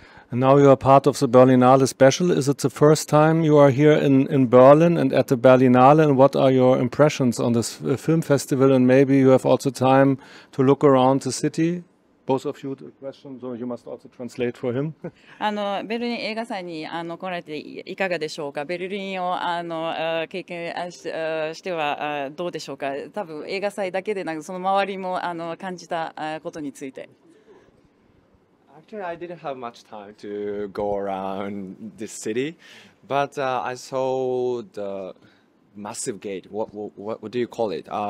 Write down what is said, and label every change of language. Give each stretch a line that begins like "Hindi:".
English: And now you are part of the Berlinale special. Is it the first time you are here in Berlin and at the Berlinale? And what are your impressions on this film festival? And maybe you have also time to look around the city? Both of you, the question, so you must also translate for him.
Japanese: ベルリン映画祭に来られていかがでしょうか。ベルリンを経験してはどうでしょうか。多分映画祭だけでなく、その周りも感じたことについて。
English: Actually, I didn't have much time to go around this city, but I saw the massive gate. What do you call it?